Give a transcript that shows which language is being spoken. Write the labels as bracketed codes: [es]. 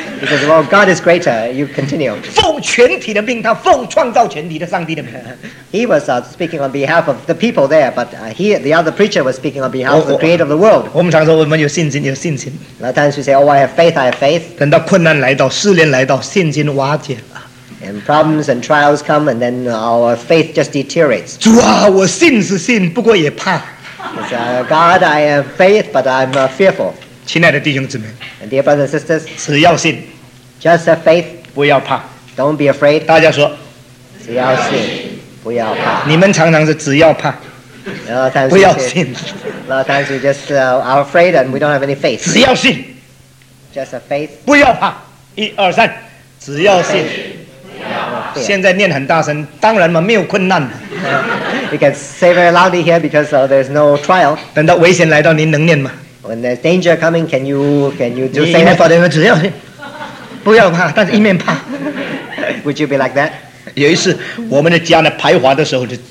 [en] He says, well, God is greater, you continue. [zh] 奉全体的命，他奉创造全体的上帝的命。 [en] He was speaking on behalf of the people there, but the other preacher was speaking on behalf of the creator of the world. [zh] 我们常说我们有信心，有信心。 [en] A lot of times we say, oh, I have faith, I have faith. [zh] 等到困难来到，试炼来到，信心瓦解。 [en] And problems and trials come, and then our faith just deteriorates. [zh] 主啊，我信是信，不过也怕。 [en] God, I have faith, but I'm fearful. [zh] 亲爱的弟兄姊妹, [en] and dear brothers and sisters, [zh] 只要信, [en] just have faith, [zh] 不要怕, [en] don't be afraid. [zh] 大家说, 只要信, 不要怕, 你们常常是只要怕, 不要信, [en] a lot of times we just are afraid and we don't have any faith. [zh] 只要信, [en] just have faith, [zh] 不要怕, 一二三, 只要信, 现在念很大声, 当然嘛, 没有困难。 [en] You can say very loudly here because there's no trial. [zh] 等到危险来到, [en] when there's danger coming, can you do say that? [zh] 只要信, 不要怕, 但是一面怕。 [en] Would you be like that? [zh] 有一次, 我们的家呢, 排华的时候,